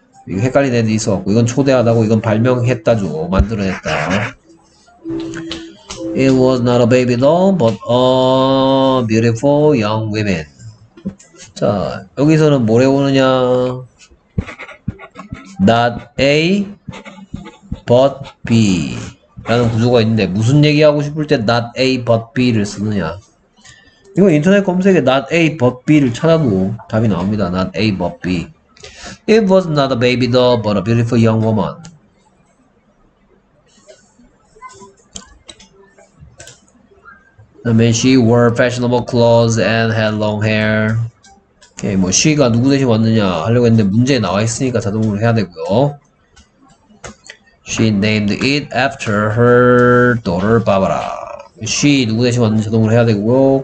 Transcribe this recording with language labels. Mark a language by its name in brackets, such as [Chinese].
[Korean] 이거 헷갈리는 애들이 있어갖고 이건 초대하다고 이건 발명했다죠 만들어냈다. [English] It was not a baby doll but a beautiful young woman. [Korean] 자 여기서는 뭐래 오느냐? Not A but B 라는 구조가 있는데 무슨 얘기하고 싶을 때 not A but B를 쓰느냐. 이거 인터넷 검색에 not A but B를 찾아도 답이 나옵니다. [English] not A but B. It was not a baby doll but a beautiful young woman. [Korean] 그 다음에 [English] she wore fashionable clothes and had long hair. [Korean] 오케이, 뭐 she가 누구 대신 왔느냐 하려고 했는데 문제에 나와 있으니까 자동으로 해야 되고요. [English] She named it after her daughter Barbara. [Korean] She 누구 대신 왔는지 자동으로 해야 되고요.